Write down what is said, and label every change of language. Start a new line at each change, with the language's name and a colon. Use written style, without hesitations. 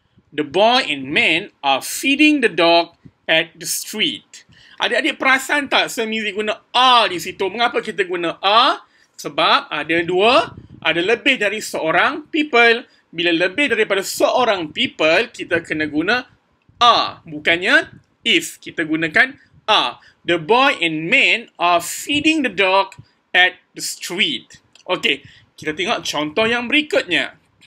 English: The boy and man are feeding the dog at the street.
Malay: Adik-adik perasan tak semizi guna are di situ? Mengapa kita guna are? Sebab ada dua, ada lebih dari seorang people. Bila lebih daripada seorang people, kita kena guna are. Bukannya if, kita gunakan are.
English: The boy and man are feeding the dog at the street.
Malay: Okay, kita tengok contoh yang berikutnya.